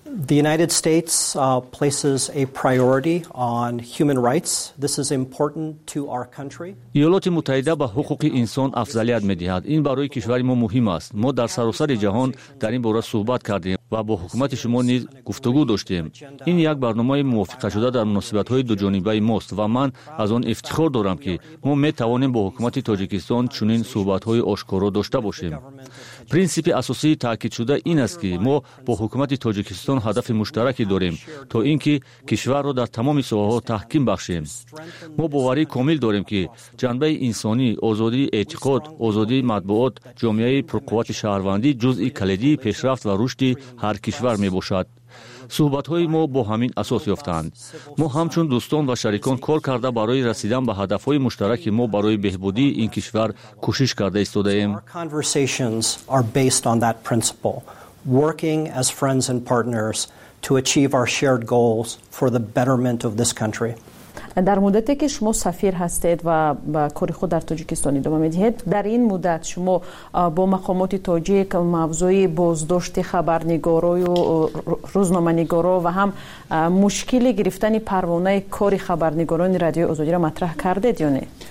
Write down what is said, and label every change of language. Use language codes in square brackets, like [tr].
[en] The United States places a priority on human rights. This is important to our country. [fa] ایالات متحده به حقوق انسان افضلیت می‌دهد. این برای کشور ما مهم است. ما در سراسر جهان در این باره صحبت کردیم و و با حکومت شما نیز گفتگو داشتیم. این یک برنامه موافقه شده در مناسبت های دو جانبه ماست و من از آن افتخار دارم که ما می توانیم با حکومت تاجیکستان چنین صحبت های آشکارا داشته باشیم. پرینسیپ اساسی تاکید شده این است که ما با حکومت تاجیکستان هدف مشترکی داریم تا اینکه کشور را در تمام ساحه ها تحکیم بخشیم. ما باوری کامل داریم که جنبه انسانی، آزادی اعتقاد، آزادی مطبوعات، جامعه پرقوت شهروندی جزئی کلیدی پیشرفت و رشد هر کشور می باشد. صحبت های ما با همین اساس یافتند. ما همچون دوستان و شریکان کار کرده برای رسیدن به هدف های مشترک ما برای بهبودی این کشور کوشش کرده استوده ایم. [en] Working as friends and partners to achieve our shared goals for the betterment of this country. [fa] در مدتی که شما سفیر هستید و با کار خود در تاجیکستان ادامه میدهید، در این مدت شما با مقامات تاجیک موضوع بازداشت خبرنگارا و روزنامه‌نگارا و هم مشکل گرفتن پروانه کار خبرنگاران رادیو آزادی را مطرح کردید یا نه؟